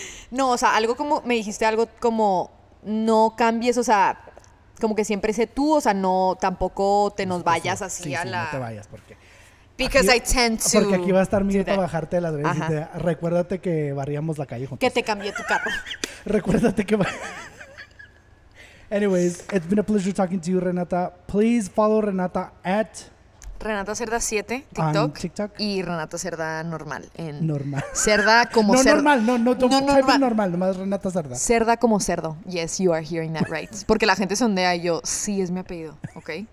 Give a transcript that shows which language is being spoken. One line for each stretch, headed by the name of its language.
Spanish: No, o sea, algo como, me dijiste algo como, no cambies, o sea, como que siempre sé tú, o sea, no, tampoco te nos vayas sí, así sí, a sí, la... Sí, no te vayas, porque...
English: Because aquí, I tend to...
Spanish: Porque aquí va a estar mi nieto a bajarte de las redes. Y recuérdate que barríamos la calle juntos. Que te cambié tu carro. Recuérdate que...
English: Anyways, it's been a pleasure talking to you, Renata. Please follow Renata at... Renata Cerda 7, TikTok. On TikTok.
Spanish: Y Renata Cerda normal en... Normal. Cerda como cerdo. No, normal, no,
English: type normal.
Spanish: Normal, nomás Renata Cerda. Cerda como cerdo.
English: Yes, you are hearing that right.
Spanish: Porque la gente sondea y yo, sí, es mi apellido, ¿ok?